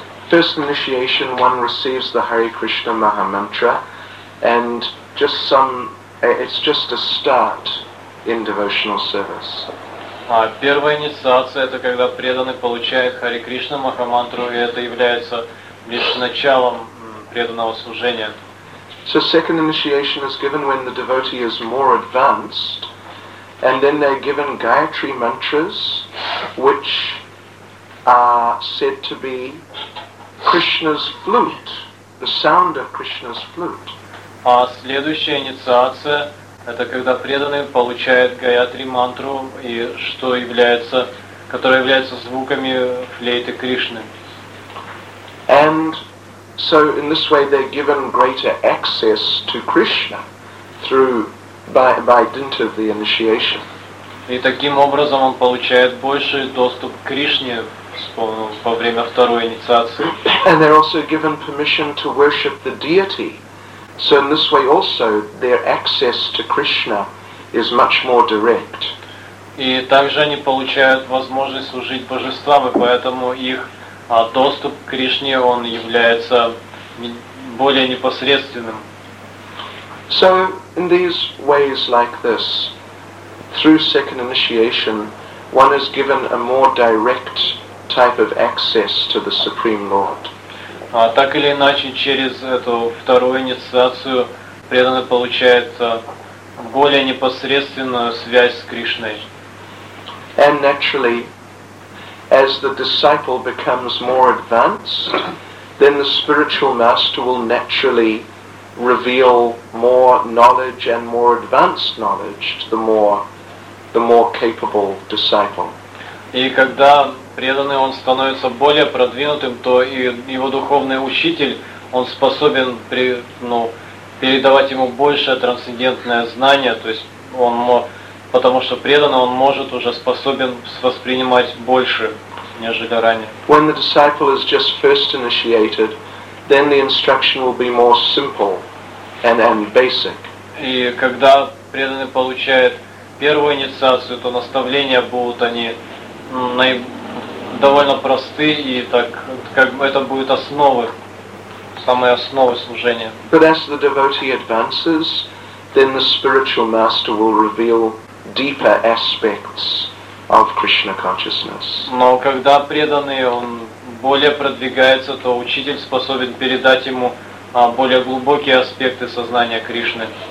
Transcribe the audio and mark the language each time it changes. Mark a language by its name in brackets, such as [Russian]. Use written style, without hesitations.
[English] First initiation, one receives the Hare Krishna Maha Mantra, and it's just a start in devotional service. [Russian] Первая инициация — это когда преданный получает Хари Кришна Маха Мантру, и это является лишь началом преданного служения. [English] So second initiation is given when the devotee is more advanced. And then they're given Gayatri mantras, which are said to be Krishna's flute, the sound of Krishna's flute. [Russian] А следующая инициация — это когда преданный получает Гаятри мантру, и что является, которая является звуками флейты Кришны. [English] And so in this way they're given greater access to Krishna through by dint of the initiation. [Russian] И таким образом он получает больший доступ к Кришне во время второй инициации. [English] And they're also given permission to worship the deity. So in this way also their access to Krishna is much more direct. [Russian] И также они получают возможность служить божествам, и поэтому их доступ к Кришне, он является более непосредственным. [English] So in these ways like this, through second initiation, one is given a more direct type of access to the Supreme Lord. [Russian] Так или иначе, через эту вторую инициацию преданный получает более непосредственную связь с Кришной. [English] And naturally, as the disciple becomes more advanced, then the spiritual master will naturally reveal more knowledge and more advanced knowledge to the more capable disciple. [Russian] И когда преданный он становится более продвинутым, то и его духовный учитель, он способен передавать ему большее трансцендентное знание, то есть потому что преданный он может уже способен воспринимать больше, нежели ранее. [English] When the disciple is just first initiated, then the instruction will be more simple and basic. [Russian] И когда преданный получает первую инициацию, то наставления будут они довольно просты, и так как бы это будет основы, самые основы служения. [English] But as the devotee advances, then the spiritual master will reveal deeper aspects of Krishna consciousness. [Russian] Но когда преданный он более продвигается, то учитель способен передать ему более глубокие аспекты сознания Кришны.